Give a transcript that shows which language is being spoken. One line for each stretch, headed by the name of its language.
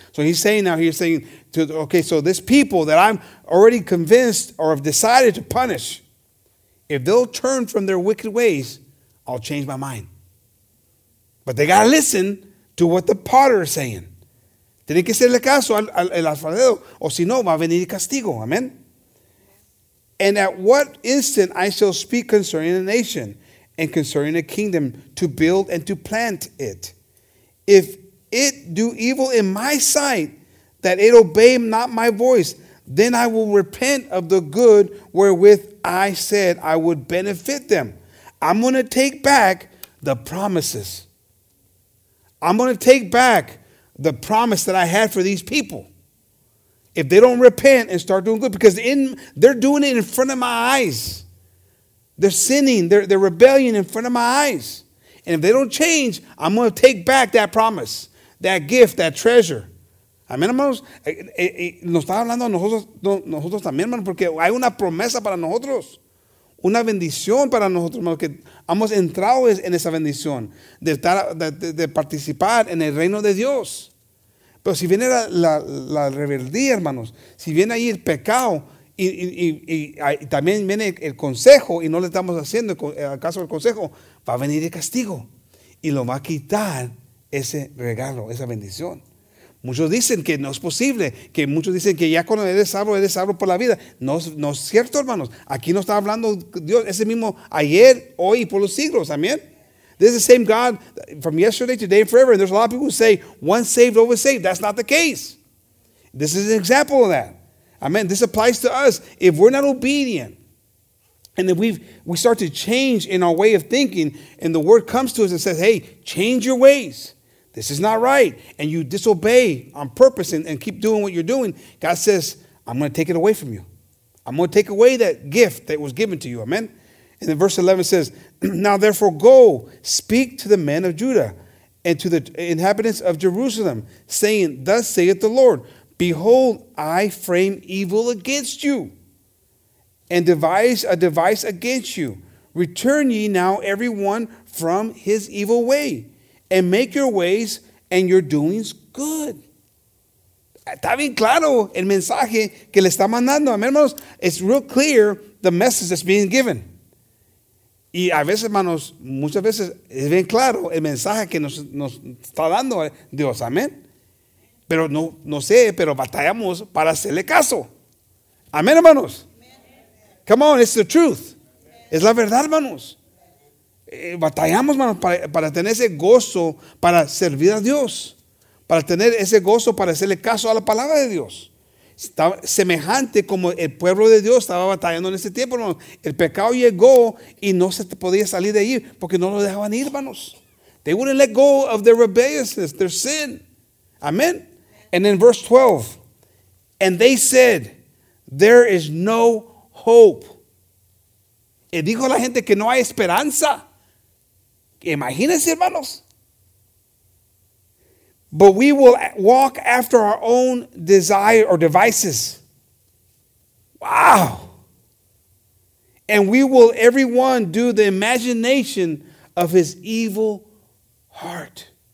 English: So he's saying now, he's saying, to, okay, so this people that I'm already convinced or have decided to punish, if they'll turn from their wicked ways, I'll change my mind. But they got to listen to what the potter is saying.
Spanish: Tiene que hacerle caso al alfarero, o si no, va a venir el castigo.
English: Amen. And at what instant I shall speak concerning a nation and concerning a kingdom to build and to plant it. If it do evil in my sight that it obey not my voice, then I will repent of the good wherewith I said I would benefit them. I'm going to take back the promises. I'm going to take back the promise that I had for these people. If they don't repent and start doing good, because they're doing it in front of my eyes. They're sinning. They're rebelling in front of my eyes. And if they don't change, I'm going to take back that promise, that gift, that treasure.
Spanish: Amén, hermanos. Nos está hablando a nosotros también, hermanos, porque hay una promesa para nosotros. Una bendición para nosotros, hermanos, que hemos entrado en esa bendición de participar en el reino de Dios. Pero si viene la rebeldía, hermanos, si viene ahí el pecado y también viene el consejo y no le estamos haciendo caso al consejo, va a venir el castigo y lo va a quitar ese regalo, esa bendición. Muchos dicen que no es posible, que muchos dicen que ya cuando eres salvo por la vida. No es cierto, hermanos. Aquí no está hablando Dios, ese mismo ayer, hoy y por los siglos, amén.
English: This is the same God from yesterday, today, and forever. And there's a lot of people who say, once saved, always saved. That's not the case. This is an example of that. Amen. This applies to us. If we're not obedient, and if we start to change in our way of thinking, and the word comes to us and says, hey, change your ways. This is not right. And you disobey on purpose and keep doing what you're doing. God says, I'm going to take it away from you. I'm going to take away that gift that was given to you. Amen. And then verse 11 says, now therefore go, speak to the men of Judah and to the inhabitants of Jerusalem, saying, thus saith the Lord, behold, I frame evil against you and devise a device against you. Return ye now everyone from his evil way, and make your ways and your doings good.
Spanish: Está bien claro el mensaje que le está mandando. Amén, hermanos,
English: it's real clear the message that's being given.
Spanish: Y a veces, hermanos, muchas veces es bien claro el mensaje que nos está dando Dios. Amén. Pero no sé, pero batallamos para hacerle caso. Amén, hermanos.
English: Come on, it's the truth.
Spanish: Es la verdad, hermanos. Batallamos, hermanos, para tener ese gozo, para servir a Dios. Para tener ese gozo, para hacerle caso a la palabra de Dios. Está semejante como el pueblo de Dios estaba batallando en ese tiempo, hermanos. El pecado llegó y no se podía salir de ahí porque no lo dejaban ir, hermanos.
English: They wouldn't let go of their rebelliousness, their sin. Amén. And in verse 12, and they said, there is no hope.
Spanish: Y dijo la gente que no hay esperanza. Imagínense, hermanos.
English: But we will walk after our own desire or devices. Wow. And we will everyone do the imagination of his evil heart.